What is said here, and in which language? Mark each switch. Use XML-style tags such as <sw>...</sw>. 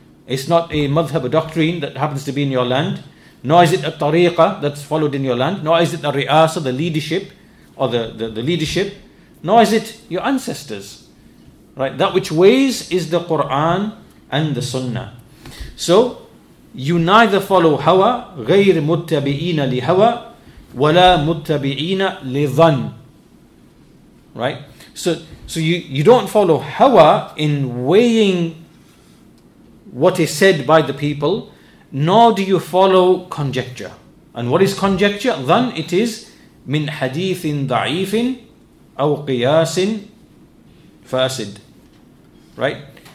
<en>It's not a madhab, a doctrine that happens to be in your land. Nor is it a tariqa that's followed in your land. Nor is it the ri'asa, the leadership, or the leadership. Nor is it your ancestors. Right? That which weighs is the Quran and the Sunnah. So, you neither follow hawa,</en> <ar>غير متبعين لهوى, ولا متبعين لظن.</ar> <en>Right? So you don't follow hawa in weighing what is said by the people, nor do you follow conjecture. And what is conjecture? Then it is</en> <ar>min hadithin da'ifin aw qiyasin fasid.</ar> <en>Right?</en>